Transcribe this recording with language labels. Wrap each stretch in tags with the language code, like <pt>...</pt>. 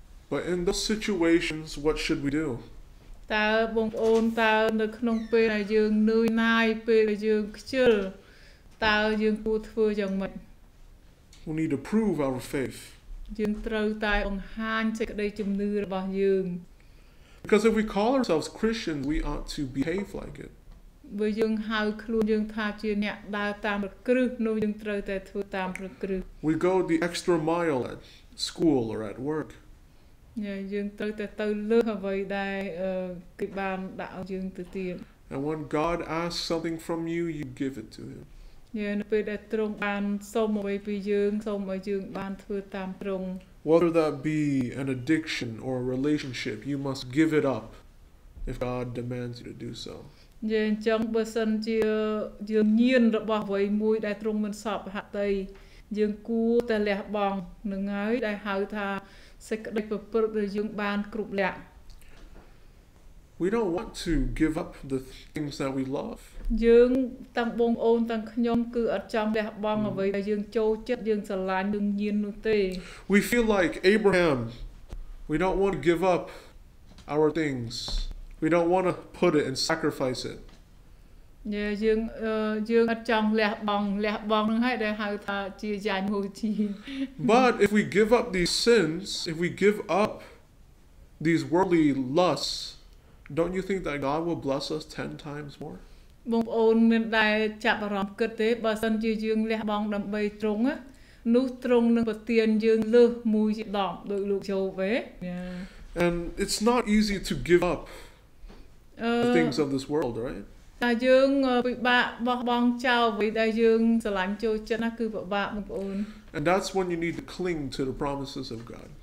<en>But in those situations what should we do?</en> <km>តើបងប្អូនតើនៅក្នុងពេលដែលយើងនឿយណាយពេលដែលយើងខ្ជិលតើយើងគួរធ្វើយ៉ាងម៉េច</km> <en>We need to prove our faith.</en> <km>យើងត្រូវតែបង្ហាញសេចក្តីជំនឿរបស់យើង</km> <en>Because if we call ourselves Christians, we ought to behave like it.</en> <km>បើយើងហៅខ្លួនយើងថាជាអ្នកដើរតាមព្រះគ្រឹះនោះយើងត្រូវតែធ្វើតាមព្រះគ្រឹះ</km> <en>We go the extra mile at school or at work.</en> <km>Yeah, យើងត្រូវតែទៅលើអ្វីដែលគេបានដាក់ឲ្យយើងទៅទៀត</km> <en>And when God asks something from you, you give it to him.</en> <km>Yeah, នៅពេលដែលទ្រង់បានសុំអ្វីពីយើងសូមឲ្យយើងបានធ្វើតាមទ្រង់</km> <en>Whether that be an addiction or a relationship, you must give it up if God demands you to do so.</en> <km>យើងចង់បើសិនជាយើងញៀនរបស់អ្វីមួយដែលទ្រង់មិនសព្ទហតីយើងគួរតែលះបង់នឹងហើយដែលហៅថាសេចក្តីប្រព្រឹត្តរបស់យើងបានគ្រប់លក្ខ</km> <en>We don't want to give up the things that we love.</en> <km>យើងទាំងបងប្អូនទាំងខ្ញុំគឺអត់ចង់លះបង់អ្វីដែលយើងចូលចិត្តយើងស្រឡាញ់នឹងញៀននោះទេ</km> <en>We feel like Abraham we don't want to give up our things we don't want to put it and sacrifice it</en> <km>យើងអត់ចង់លះបង់នឹងហើយដែលហៅថាជាយ៉ាញ់មួយទៀត</km> <en>But if we give up these sins if we give up these worldly lusts don't you think that God will bless us 10 times more</en> <km>បងប្អូនមានដែលចាប់អារម្មណ៍គិតទេបើសិនជាយើងលះបង់ដើម្បីត្រង់នោះត្រង់នឹងប្រទានយើងលើសមួយជាដប់ដោយលោកចូលវិញ</km> <en>And it's not easy to give up the things of this world, right?</en> <km>តែយើងពិបាកបោះបង់ចោលអ្វីដែលយើងស្រឡាញ់ចូលចិត្តណាគឺពិបាកបងប្អូន</km> <en>And that's when you need to cling to the promises of God.</en>